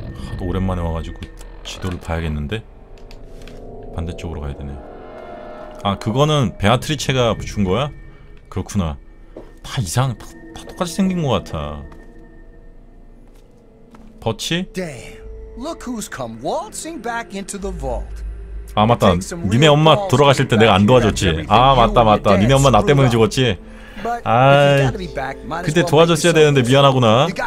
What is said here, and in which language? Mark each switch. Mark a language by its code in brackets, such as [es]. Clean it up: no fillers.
[ko] 하도 오랜만에 와가지고 지도를 봐야겠는데? 반대쪽으로 가야 되네. 아 그거는 베아트리체가 준 거야? 그렇구나. 다 이상 다 똑같이 생긴 것 같아. 버치? [en] Look who's come waltzing back into the vault. [ko] 아 맞다. 니네 엄마 돌아가실 때 내가 안 도와줬지. 아 맞다 맞다. 니네 엄마 나 때문에 죽었지. 아 그때 도와줬어야 되는데 미안하구나.